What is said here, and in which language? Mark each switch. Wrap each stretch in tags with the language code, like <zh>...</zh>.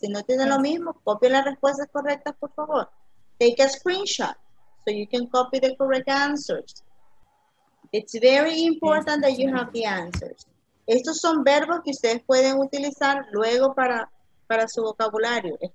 <es>Si no tienen lo mismo, copien las respuestas correctas, por favor.</es> <en>Take a screenshot so you can copy the correct answers. It's very important that you have the answers.</en> <es>Estos son verbos que ustedes pueden utilizar luego para su vocabulario.</es>